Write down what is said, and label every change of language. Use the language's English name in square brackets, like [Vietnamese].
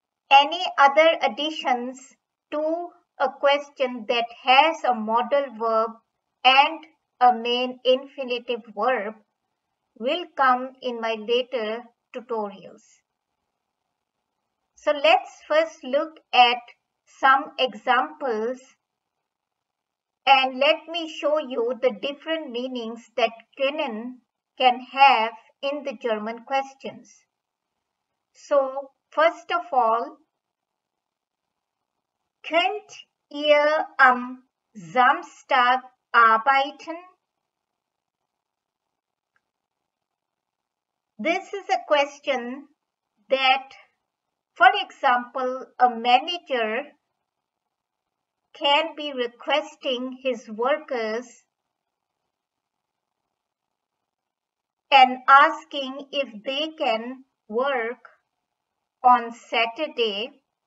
[English] Any other additions to a question that has a modal verb and a main infinitive verb will come in my later tutorials. So let's first look at some examples and let me show you the different meanings that Können can have in the German questions. So first of all, [German] könnt ihr am Samstag arbeiten? [English] This is a question that, for example, a manager can be requesting his workers and asking if they can work on Saturday.